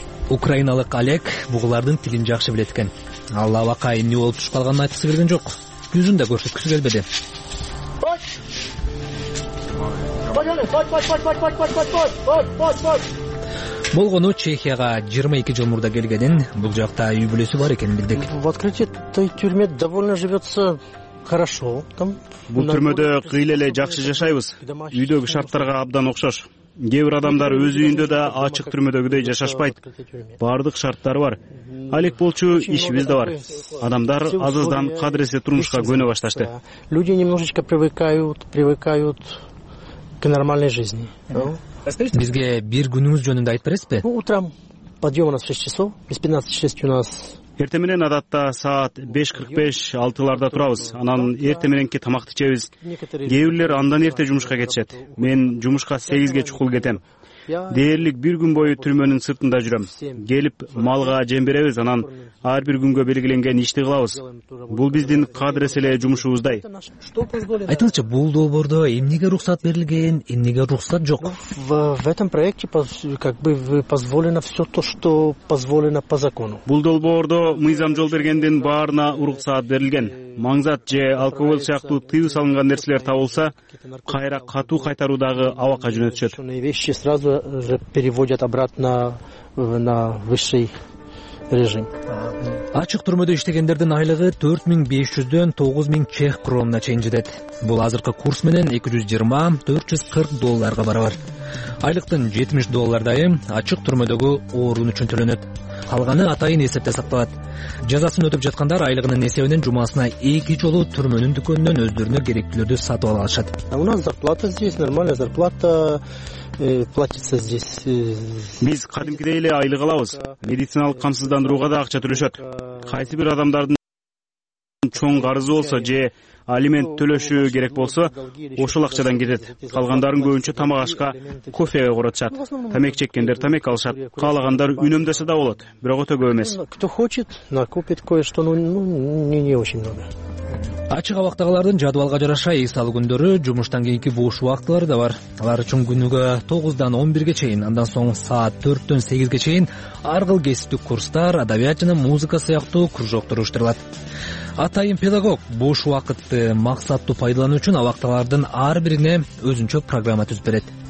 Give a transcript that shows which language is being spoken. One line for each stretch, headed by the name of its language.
Kyrgyz: Украиналык Олег бугулардын тилин жакшы билет экен. Ал абакка эмне болуп туш калганын айткысы келген жок. Жүзүн да көрсөткүсү келбеди. Болгону Чехияга 22 жыл мурда келгенин, бул жакта үй бүлөсү бар экенин билдик.
Russian: В открытии той тюрьме довольно живется хорошо.
Kyrgyz: Бул түрмөдө кыйла эле жакшы жашайбыз. Үйдөгү шарттарга абдан окшош. Кээ бир адамдар өз үйүндө да ачык түрмөдөгүдөй жашашпайт. Бардык шарттары бар. Алек болчу, ишибиз да бар. Адамдар азыздан кадыресе турмушка көнө башташты.
Russian: Люди немножечко привыкают к нормальной жизни.
Kyrgyz: Бизге бир күнүңүз жөнүндө айтып бересизби?
Russian: Утром подъем у нас 6 часов, без 15-6 у нас.
Kyrgyz: Эрте менен адатта саат 5:45-6:00 турабыз. Анан эрте мененки тамакты ичебиз. Кээ бирлер андан эрте жумушка кетишет. Мен жумушка 8:00 чукул кетем. Дээрлик бир күн бою түрмөнүн сыртында жүрөм. Келип малга жем беребиз, анан ар бир күнгө белгиленген ишти кылабыз. Бул биздин кадыресе эле жумушубуздай. Айтыңызчы, бул долбоордо эмнеге уруксат берилген, эмнеге уруксат жок?
Russian: В этом проекте позволено все то, что позволено по закону.
Kyrgyz: Бул долбоордо мыйзам жол бергендин баарына уруксат берилген. Маңзат же алкоголь сыяктуу тыюу салынган нерселер табылса, кайра катуу кайтаруудагы абакка жөнөтүшөт.
Russian: Переводят обратно на высший режим.
Kyrgyz: Ачык түрмөдө иштегендердин айлыгы 4500-дөн 9000 чех кроонуна чейин жетет. Бул азыркы курс менен 220-440 долларга барабар. айлыктын $70 ачык түрмөдөгү оорун үчүн төлөнөт. Калганы атайын эсепте сакталат. Жазасын өтөп жаткандар айлыгынын эсебинен жумасына 2 жолу түрмөнүн дүкөнүнөн өздөрүнө керектүүлөрдү сатып ала алышат.
Russian: У нас зарплата здесь нормальная зарплата. Платится здесь.
Kyrgyz: Биз кадимкидей эле айлык алабыз. Медициналык камсыздандырууга да акча төлөшөт. Кайсы бир адамдардын чоң карызы болсо же алимент төлөшү керек болсо ошол акчадан кетет. Калгандарын көбүнчө тамак ашка, кофеге коротушат. Тамек чеккендер тамек алышат. Каалагандар үнөмдөсө да болот, бирок өтө көп эмес.
Russian: Кто хочет, накопит кое-что, но не очень много.
Kyrgyz: Ачык абактагылардын жадыбалга жараша эс алуу күндөрү, жумуштан кийинки бош убактылары да бар. Алар үчүн күнүгө 9-11 чейин, андан соң саат 4-8 чейин ар кыл кесиптүү курстар, адабият жана музыка сыяктуу кружоктор уюштурулат. Атайын педагог бош убакытты максаттуу пайдалануу үчүн абактагылардын ар бирине өзүнчө программа түзүп берет.